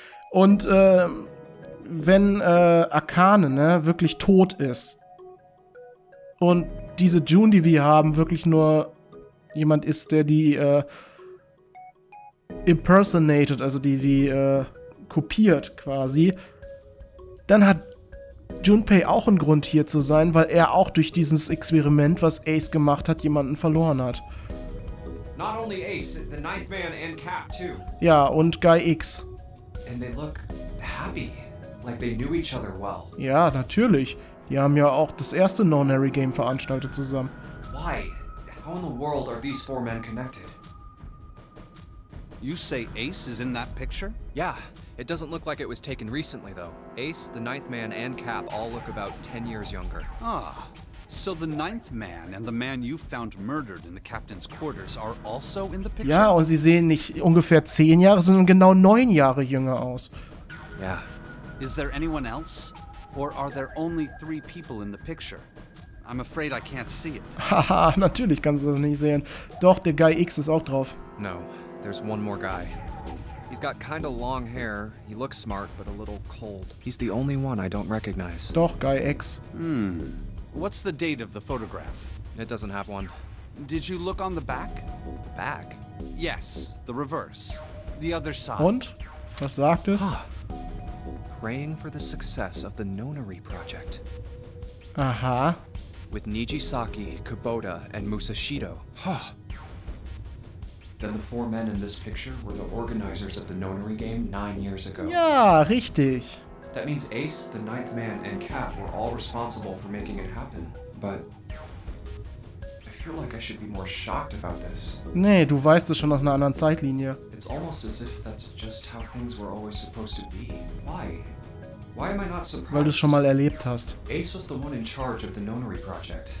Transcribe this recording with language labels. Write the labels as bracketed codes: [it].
[de] Und wenn Akane, ne, wirklich tot ist und diese June, die wir haben, wirklich nur jemand ist, der die impersonated, also die kopiert quasi, dann hat Junpei auch einen Grund hier zu sein, weil er auch durch dieses Experiment, was Ace gemacht hat, jemanden verloren hat. [en] Not only Ace, the ninth man and Cap too. [de] Ja, und Guy X. [en] And they look happy, like they knew each other well. [de] Ja, natürlich. Die haben ja auch das erste Non-Harry Game veranstaltet zusammen. [en] Why? How in the world are these four men connected? You say Ace is in that picture? Yeah. It doesn't look like it was taken recently, though. Ace, the ninth man, and Cap all look about 10 years younger. Ah, so the ninth man and the man you found murdered in the captain's quarters are also in the picture? [de] Ja, und sie sehen nicht ungefähr 10 Jahre, sondern genau 9 Jahre jünger aus. [en] Yeah. Is there anyone else? Or are there only 3 people in the picture? I'm afraid I can't see it. [de] Haha, natürlich kannst du das nicht sehen. Doch, der Guy X ist auch drauf. [en] No, there's one more guy. He's got kind of long hair. He looks smart, but a little cold. He's the only one I don't recognize. [de] Doch, Guy X. [en] Hmm. What's the date of the photograph? It doesn't have one. Did you look on the back? Back? Yes, the reverse. The other side. [de] Und? Was sagt es? [en] Praying for the success of the Nonary Project. Aha. With Nijisaki, Kubota, and Musashido. Huh. Then the four men in this picture were the organizers of the Nonary game 9 years ago. [de] Ja, richtig. [en] That means Ace, the ninth man, and Cap were all responsible for making it happen. But I feel like I should be more shocked about this. [de] Nee, du weißt es schon aus einer anderen Zeitlinie. [en] It's almost as if that's just how things were always supposed to be. Why? Why am I not surprised? [de] Weil du es schon mal erlebt hast. [en] Ace was the one in charge of the Nonary project.